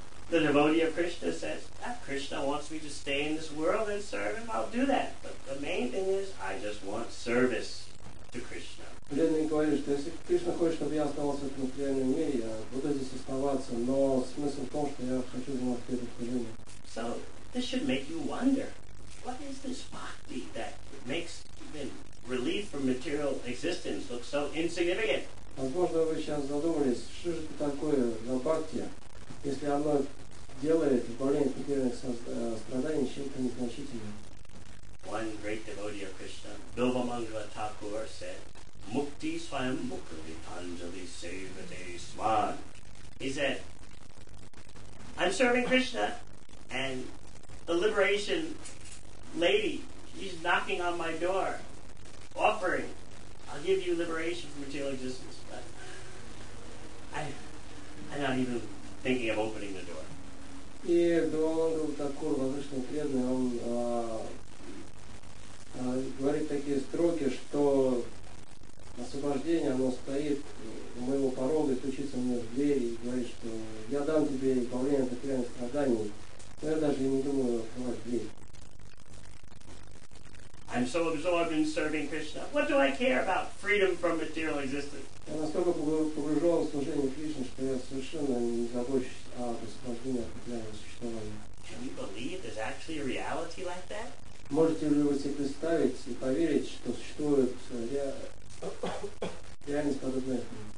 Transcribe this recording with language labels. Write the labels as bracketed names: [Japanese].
[English] The devotee of Krishna says, if Krishna wants me to stay in this world and serve him, I'll do that. But the main thing is, I just want service to Krishna. [Russian] Преданный говорит, что если Кришна хочет, чтобы я оставался в материальном мире, я буду здесь оставаться, но смысл в том, что я хочу заниматься предупреждением. [English] So, this should make you wonder, what is this bhakti that makes even relief from material existence look so insignificant? [Russian] Возможно, вы сейчас задумались, что же это такое за бхакти, если оно делает избавление от материальных страданий чем-то незначительным. [English] One great devotee of Krishna, Bilvamangala Thakur, said, Mukti Swayam Mukti Panjali Sevate Swan. He said, I'm serving Krishna and the liberation lady, she's knocking on my door, offering, I'll give you liberation from material existence, but I'm not even thinking of opening the door. [Russian] И Бхагаванду Такур, возвышенный преданный, он говорит такие строки, что освобождение, оно стоит у моего порога и стучится мне в дверь и говорит, что я дам тебе избавление от материальных страданий, но я даже не думаю открывать дверь. [English] I'm so absorbed in serving Krishna. What do I care about freedom from material existence? [Russian] Я настолько погружен в служение Кришне, что я совершенно не забочусь об освобождении от материального существования. [English] Can you believe there's actually a reality like that? [Russian] Можете ли вы себе представить и поверить, что существует реальность подобная этому?